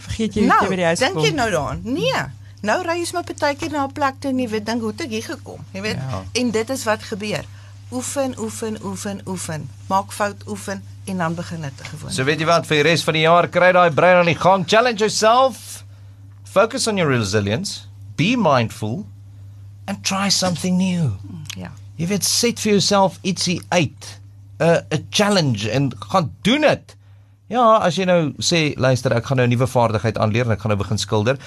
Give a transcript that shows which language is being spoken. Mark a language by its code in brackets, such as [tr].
[af] vergeet jy nou, die dink jy nou daaraan? Nee. Nou ry jy my partykeer na 'n plek toe en jy weet dink hoe het ek hier gekom? Jy weet, en dit is wat gebeur. Oefen. Maak fout, oefen en dan begin dit gewoon. So weet jy wat, vir die res van die jaar kry daai brein aan die gang. [en] Challenge yourself. Focus on your resilience. Be mindful and try something new. [af] Ja. Jy weet, set vir jouself ietsie uit. 'n challenge en gaan doen dit. Ja, as jy nou sê, luister, ek gaan nou 'n nuwe vaardigheid aanleer en ek gaan nou begin skilder.